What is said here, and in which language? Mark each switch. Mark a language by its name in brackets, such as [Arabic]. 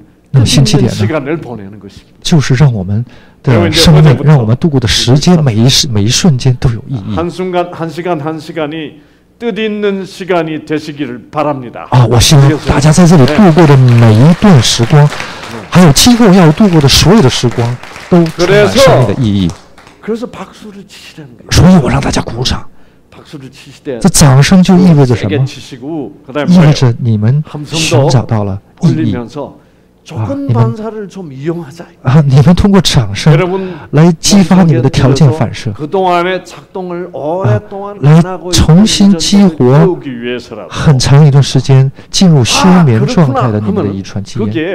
[Chinese] 那么新起点呢，就是让我们的生命，让我们度过的时间，每一瞬间都有意义。 [Korean] 한 순간 한 시간 한 시간이 뜻 있는 시간이 되시기를 바랍니다。 [Chinese] 啊，我希望大家在这里度过的每一段时光，还有今后要度过的所有的时光，都充满生命的意义。 [Korean] 그래서박수를치시는거예요。 [Chinese] 所以我让大家鼓掌。 [Korean] 박수를치시대。 [Chinese] 这掌声就意味着什么？意味着你们寻找到了意义。你们通过掌声来激发你们的条件反射，来重新激活很长一段时间进入休眠状态的你们的遗传基因。